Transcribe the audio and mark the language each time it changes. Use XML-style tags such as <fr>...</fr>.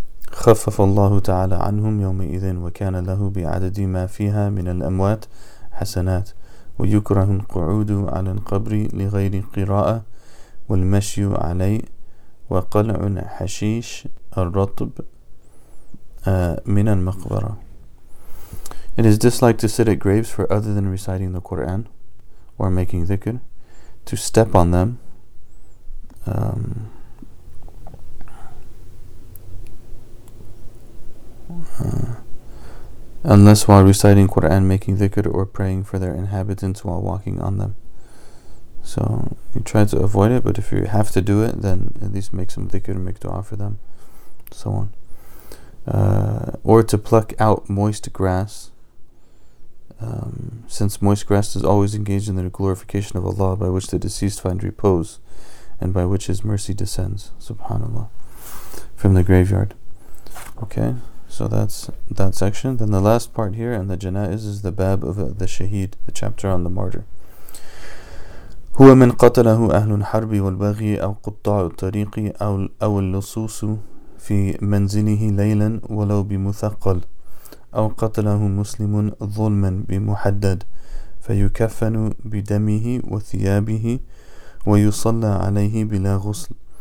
<ar>خفف الله تعالى عنهم يومئذ وكان له بعدد ما فيها من الأموات حسنات ويكره القعود على القبر لغير قراءة والمشي عليه وقلع حشيش الرطب من المقبرة.</ar> <en>It is disliked to sit at graves for other than reciting the Qur'an or making dhikr, to step on them, unless while reciting Qur'an, making dhikr, or praying for their inhabitants while walking on them. So you try to avoid it, but if you have to do it, then at least make some dhikr, make dua for them, so on. Or to pluck out moist grass. Since moist grass is always engaged in the glorification of Allah, by which the deceased find repose, and by which His mercy descends, subhanAllah, from the graveyard. Okay, so that's that section. Then the last part here, and the janaiz, is the bab of the shaheed, the chapter on the martyr.</en> <ar>هو من قتله أهل الحرب والبغي أو قطاع الطريق أو اللصوص في منزله ليلا ولو بمثقل أو قتله مسلم ظلما بمحدد فيكفن بدمه وثيابه ويصلى عليه بلا غسل</ar>